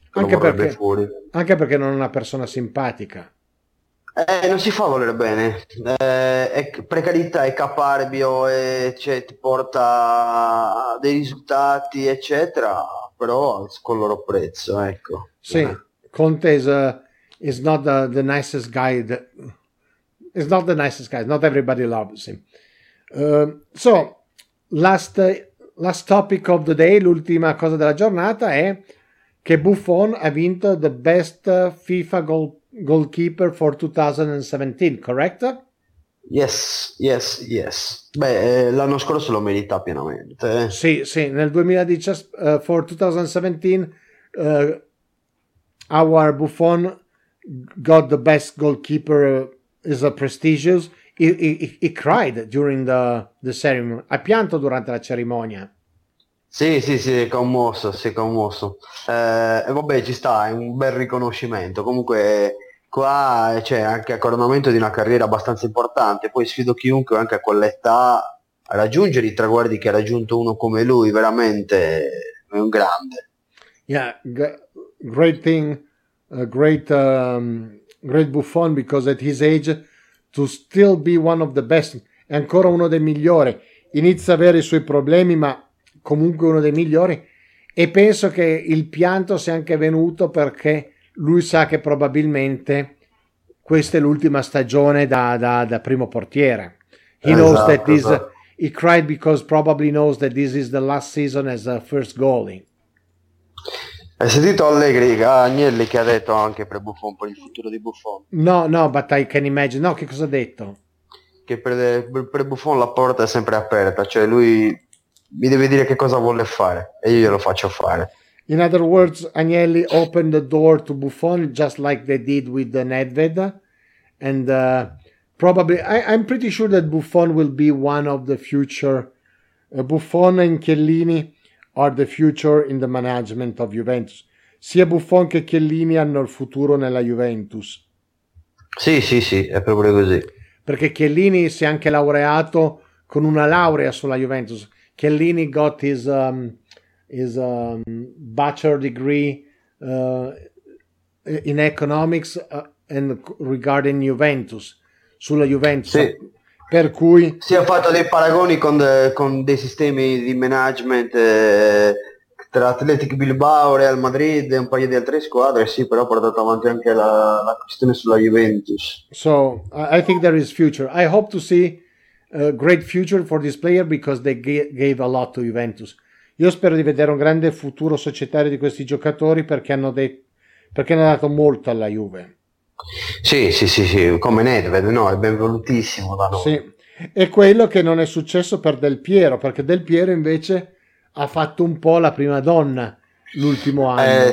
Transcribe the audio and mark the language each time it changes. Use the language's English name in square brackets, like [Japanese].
[Italian] Anche perché non è una persona simpatica. Non si fa volere bene. È precarietà, è caparbio, ti porta dei risultati, eccetera, però col loro prezzo, ecco. [English] Sì, Conte is not the nicest guy that... It's not the nicest guy. Not everybody loves him. So, last topic of the day, [Italian] l'ultima cosa della giornata, è che Buffon ha vinto [English] the best FIFA goalkeeper for 2017, correct? Yes. [Italian] Beh, l'anno scorso lo merita pienamente. [English] Sì, nel 2017, our Buffon got the best goalkeeper is a prestigious. He cried during the ceremony. [Italian] Ha pianto durante la cerimonia. Sì, si è commosso. Vabbè, ci sta, è un bel riconoscimento. Comunque qua c'è anche a coronamento di una carriera abbastanza importante. Poi sfido chiunque anche a quell'età a raggiungere i traguardi che ha raggiunto uno come lui. Veramente è un grande. [English] Yeah, great thing, great. Great Buffon, because at his age to still be one of the best, [Italian] è ancora uno dei migliori, inizia a avere i suoi problemi, ma comunque uno dei migliori, e penso che il pianto sia anche venuto perché lui sa che probabilmente questa è l'ultima stagione da primo portiere. [English] He knows that he cried because probably knows that this is the last season as a first goalie. [Italian] Hai sentito Allegri, Agnelli che ha detto anche per Buffon, per il futuro di Buffon? [English] No, no, but I can imagine. [Italian] No, che cosa ha detto? Che per Buffon la porta è sempre aperta, cioè lui mi deve dire che cosa vuole fare e io glielo faccio fare. [English] In other words, Agnelli opened the door to Buffon just like they did with the Nedved. And probably, I'm pretty sure that Buffon will be one of the future. Buffon and Chiellini are the future in the management of Juventus. [Italian] Sia Buffon che Chiellini hanno il futuro nella Juventus. Sì, sì, sì, è proprio così. Perché Chiellini si è anche laureato con una laurea sulla Juventus. [English] Chiellini got his bachelor degree in economics and regarding Juventus, [Italian] sulla Juventus. Sì. Per cui si è fatto dei paragoni con dei sistemi di management tra Athletic Bilbao, Real Madrid e un paio di altre squadre. Sì, però ha portato avanti anche la questione sulla Juventus. [English] So I think there is future. I hope to see a great future for this player because they gave a lot to Juventus. [Italian] Io spero di vedere un grande futuro societario di questi giocatori perché hanno dato molto alla Juve. Sì, sì, sì, sì, come Nedved, no, è benvolutissimo da noi. Sì, è quello che non è successo per Del Piero, perché Del Piero invece ha fatto un po' la prima donna l'ultimo anno.